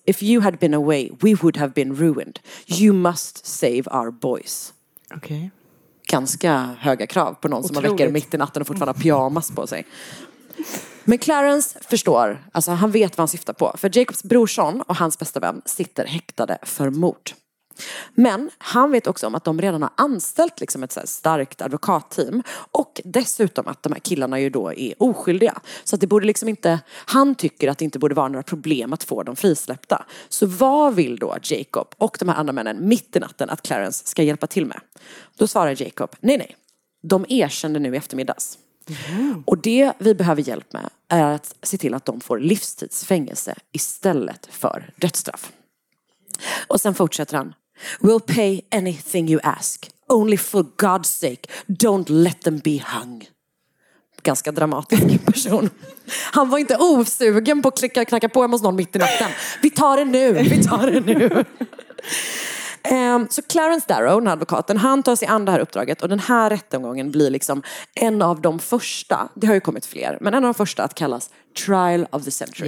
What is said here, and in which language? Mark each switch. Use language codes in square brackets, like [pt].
[en] If you had been away, we would have been ruined. You must save our boys." Okay. [sv] Ganska höga krav på någon. Otroligt. Som väcker mitt i natten och fortfarande har pyjamas på sig. Men Clarence förstår, alltså han vet vad han syftar på. För Jacobs brorson och hans bästa vän sitter häktade för mord. Men han vet också om att de redan har anställt liksom ett så här starkt advokatteam. Och dessutom att de här killarna ju då är oskyldiga. Så att det borde liksom inte, han tycker att det inte borde vara några problem att få dem frisläppta. Så vad vill då Jacob och de här andra männen mitt i natten att Clarence ska hjälpa till med? Då svarar Jacob, nej nej, de erkände nu i eftermiddags. Mm. Och det vi behöver hjälp med är att se till att de får livstidsfängelse istället för dödsstraff. Och sen fortsätter han. [en] We'll pay anything you ask. Only for God's sake, don't let them be hung. [sv] Ganska dramatisk person. Han var inte osugen på att klicka och knacka på hem hos någon mitt i natten. Vi tar det nu. Så Clarence Darrow, den advokaten, han tar sig an det här uppdraget och den här rättegången blir liksom en av de första, det har ju kommit fler, men en av de första att kallas Trial of the Century.